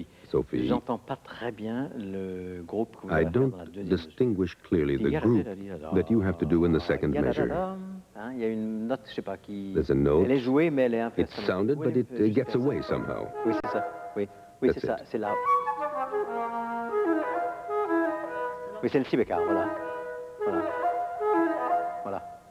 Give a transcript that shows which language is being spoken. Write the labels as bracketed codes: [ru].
[fr] Sophie, j'entends pas très bien le groupe que vous avez dans la deuxième mesure. [en] I don't distinguish clearly the group that you have to do in the second measure. [fr] Il y a une note, je sais pas qui. [en] There's a note. [fr] Elle est jouée, mais elle est un peu. [en] It sounded, but it gets away somehow. [fr] Oui, c'est ça. Oui, oui, c'est ça. C'est là. Oui, c'est le si bémol. Voilà.